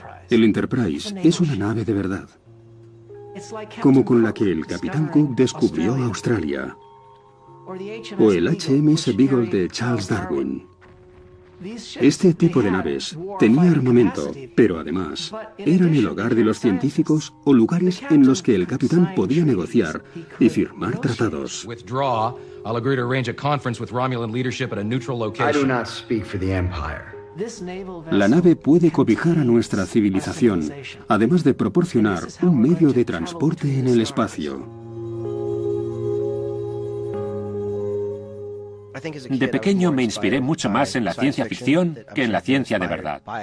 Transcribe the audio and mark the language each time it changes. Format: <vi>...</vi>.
<es>El Enterprise es una nave de verdad, como con la que el Capitán Cook descubrió Australia, o el HMS Beagle de Charles Darwin. Este tipo de naves tenía armamento, pero además eran el hogar de los científicos o lugares en los que el capitán podía negociar y firmar tratados.</es> <en>I'll agree to arrange a conference with Romulan leadership at a neutral location. I do not speak for the Empire.</en> <es>La nave puede cobijar a nuestra civilización, además de proporcionar un medio de transporte en el espacio. De pequeño me inspiré mucho más en la ciencia ficción que en la ciencia de verdad.</es>